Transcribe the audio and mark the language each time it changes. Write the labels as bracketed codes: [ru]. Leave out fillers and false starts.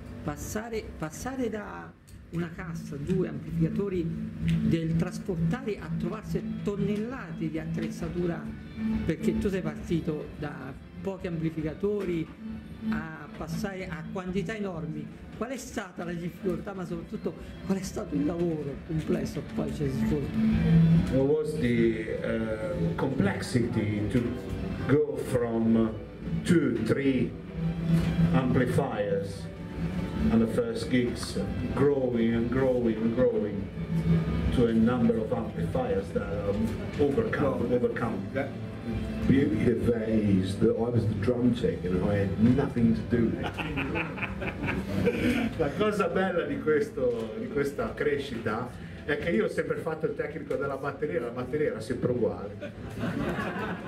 [it] Passare da una cassa, due amplificatori del trasportare a trovarsi tonnellate di attrezzatura, perché tu sei partito da pochi amplificatori a passare a quantità enormi. Qual è stata la difficoltà, ma soprattutto qual è stato il lavoro complesso che poi c'è svolto? [en] What was the complexity to go from 2-3 amplifiers and the first gigs growing and growing and growing to a number of amplifiers that are overcome. The beauty of that is that I was the drum tech and I had nothing to do with it. [it] La cosa bella di questa crescita è che io ho sempre fatto il tecnico della batteria e la batteria era sempre uguale.